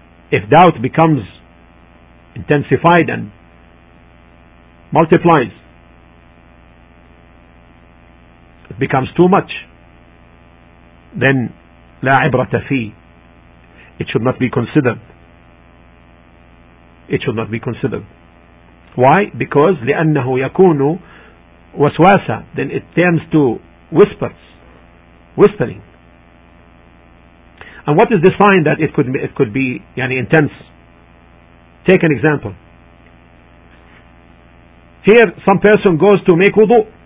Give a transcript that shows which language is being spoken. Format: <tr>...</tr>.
<en>If doubt becomes intensified and multiplies, it becomes too much, then</en> <ar>لَا عِبْرَةَ فِيهِ.</ar> <en>It should not be considered. It should not be considered. Why? Because</en> <ar>لِأَنَّهُ يَكُونُ وَسْوَاسَ.</ar> <en>Then it turns to whispers, whispering. And what is the sign that it could be yani intense? Take an example. Here, some person goes to make wudu.</en>